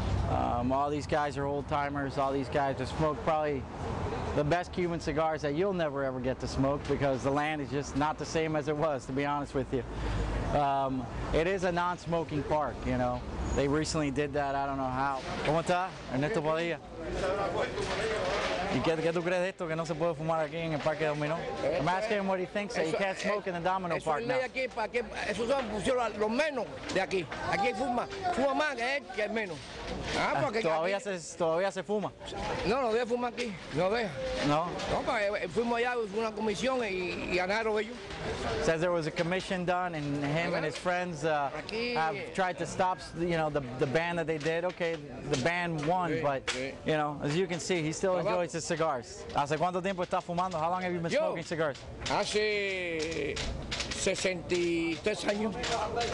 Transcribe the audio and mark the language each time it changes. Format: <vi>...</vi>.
<en>All these guys are old-timers. All these guys have smoked probably the best Cuban cigars that you'll never ever get to smoke, because the land is just not the same as it was, to be honest with you. It is a non-smoking park, you know. They recently did that, I don't know how.</en> <es>¿Cómo está? Ernesto Padilla. ¿Y qué tú crees de esto que no se puede fumar aquí en el parque Domino?</es> <en>I'm asking him what he thinks that you can't smoke in the Domino Park now.</en> <es>Aquí, para que, eso son pusieron los menos de aquí. Aquí fuma, fuma más que él, que el menos. Ah, porque todavía aquí, todavía se fuma. No, no voy a fumar aquí, no deja. No. No, porque fuimos allá, fue una comisión y ganaron ellos.</es> <en>Says there was a commission done, and him and his friends have tried to stop, you know, the ban that they did. Okay, the ban won, but you know, as you can see, he still enjoys his cigars.</en> <es>¿Hace cuánto tiempo está fumando?</es> <en>How long have you been smoking cigars?</en> <es>Hace 63 años.</es>